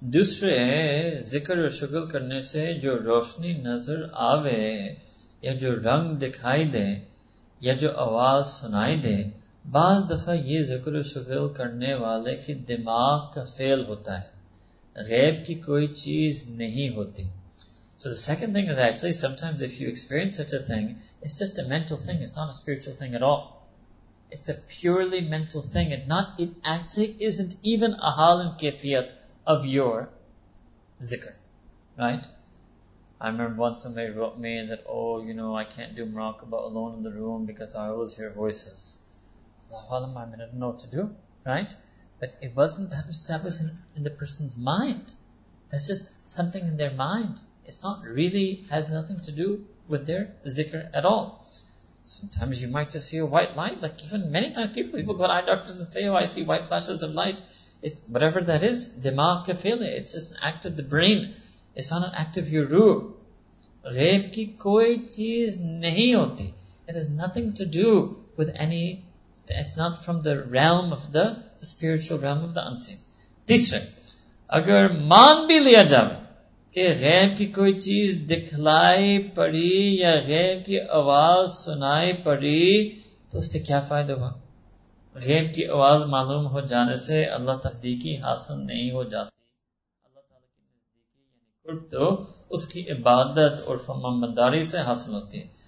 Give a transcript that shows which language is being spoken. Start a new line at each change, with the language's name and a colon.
Urdu: دوسرے ہیں ذکر و شغل کرنے سے جو روشنی نظر آوے یا جو رنگ دکھائی دے یا جو آواز سنائی دے, بعض دفعہ یہ ذکر و شغل کرنے والے کے دماغ کا فیل ہوتا ہے, غیب کی کوئی چیز نہیں ہوتی.
English: So the second thing is actually sometimes if you experience such a thing, it's just a mental thing, it's not a spiritual thing at all. It's a purely mental thing, and not, it actually isn't even a hal and kefiyat of your zikr, right? I remember once somebody wrote me that, oh, you know, I can't do muraqabah alone in the room because I always hear voices. Allahu alam, I didn't know what to do, right? But it wasn't that which that was in the person's mind. That's just something in their mind. It's not really, has nothing to do with their zikr at all. Sometimes you might just see a white light, like even many times people go to eye doctors and say, oh, I see white flashes of light. It's whatever that is,
Urdu: dimag ka failure.
English: It's just an act of the brain. It's not an act of your ruh.
Urdu: Ghaib ki koi cheez nahi hoti.
English: It has nothing to do with any, it's not from the realm of the spiritual realm of the unseen.
Urdu: Teesra, agar maan bhi liya jaave کہ غیب کی کوئی چیز دکھلائی پڑی یا غیب کی آواز سنائی پڑی تو اس سے کیا فائدہ ہوا؟ غیب کی آواز معلوم ہو جانے سے اللہ تصدیقی حاصل نہیں ہو جاتی, اللہ تعالیٰ کی تصدیقی یعنی قرب تو اس کی عبادت اور فرمانبرداری سے حاصل ہوتی ہے.